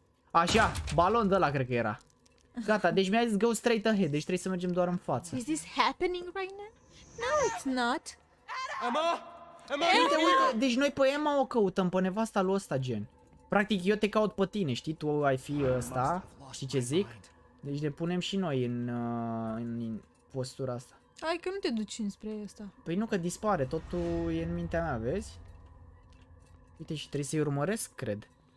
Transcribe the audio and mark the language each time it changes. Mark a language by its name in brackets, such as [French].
[Romanian] Așa, balon de ăla cred că era. Gata, deci mi-a zis [English] go straight ahead. [Romanian] Deci trebuie să mergem doar în față. [English] Is this happening right now? No, it's not. [Romanian] Emma! Uite, uite, deci noi pe Emma o căutăm, pe nevasta lui ăsta, gen. Practic, eu te caut pe tine, știi? Tu ai fi ăsta. Știi ce zic? Deci ne punem și noi în postura asta. Hai că nu te duci înspre asta. Păi nu, că dispare, totul e în mintea mea, vezi? Uite, și trebuie să-i urmăresc, cred.